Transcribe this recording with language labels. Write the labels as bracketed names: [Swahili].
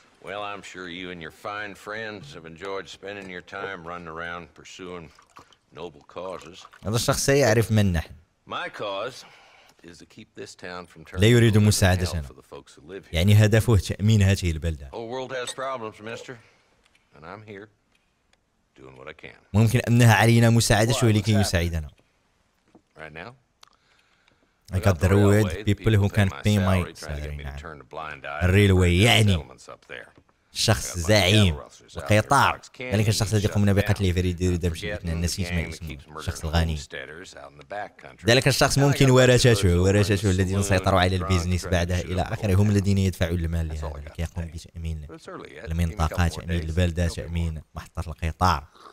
[English] Well, I'm sure you and your fine friends have enjoyed spending your time running around pursuing noble causes. [Arabic] هذا الشخص يعرف من نحن. [English] My cause is to keep this town from turning. [Arabic] لا يريد مساعدتنا. يعني هدفه تأمين هذه البلدة. [English] The whole world has problems, mister, and I'm here doing what I can. [Arabic] ممكن أنها علينا مساعدته لكي يساعدنا. [English] Right now. I got the railway. People who can pay my salary. [Arabic] Railway. يعني شخص زعيم القطار. ذلك الشخص الذي قمنا بقتله في ريد ريدمشن. نسيت ما اسمه. الشخص الغني. ذلك الشخص ممكن ورشاته الذين سيطروا على البيزنس بعدها إلى آخره. هم الذين يدفعون المال لهذا. يقوم بتأمين المنطقة، تأمين البلدة، تأمين محطة القطار.